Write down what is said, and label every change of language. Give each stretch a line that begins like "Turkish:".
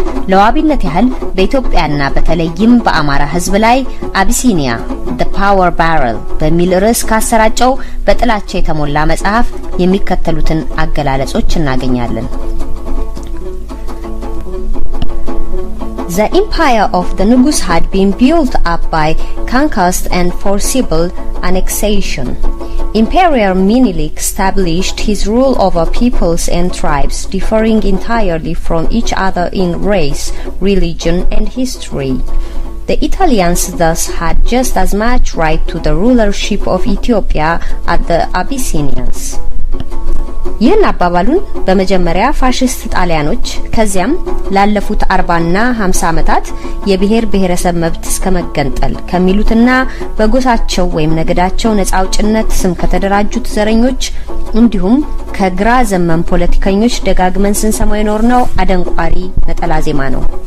Amharic: ለዋቢነት ያህል በኢትዮጵያና በተለይም በአማራ ህዝብ ላይ አቢሲኒያ The Power Barrel በሚል ርዕስ ካሰራጨው በጥላቻ የተሞላ መጽሐፍ የሚከተሉትን አገላለጾች እናገኛለን። The empire of the Nugus had been built up by conquest and forcible annexation.
English: Imperial Minilik established his rule over peoples and tribes differing entirely from each other in race, religion, and history. The Italians thus had just as much right to the rulership of Ethiopia as the Abyssinians.
Amharic: ይህን አባባሉን በመጀመሪያ ፋሽስት ጣሊያኖች ከዚያም ላለፉት 40 እና 50 አመታት የብሔር ብሔረሰብ መብት እስከመገንጠል ከሚሉትና በጎሳቸው ወይም ነገዳቸው ነጻውጭነት ስም ከተደራጁት ዘረኞች እንዲሁም ከግራ ዘመን ፖለቲከኞች ደጋግመን ስንሰማው ኖር ነው አደንቋሪ ነጠላ ዜማ ነው።